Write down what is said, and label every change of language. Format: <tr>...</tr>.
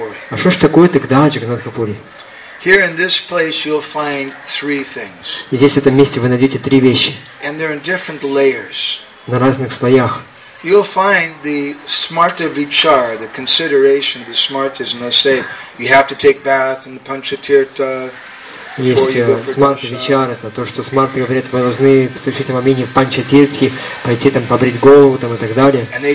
<ru>А что ж такое тогда Джаганнатхапури?</ru> <en>Here in this place you'll find three things.</en> <ru>И здесь в этом месте вы найдете три вещи.</ru> <en>And they're in different layers.</en> <ru>На разных слоях.</ru> <en>You'll find the smarta vichar, the consideration of the smartas, and they say you have to take bath in the Panchatirtha.</en> <ru>Есть смарта вичара, это то, что смарты говорят, вы должны в совершенном моменте в Панчатиртхе пойти там побрить голову там, и так далее.</ru>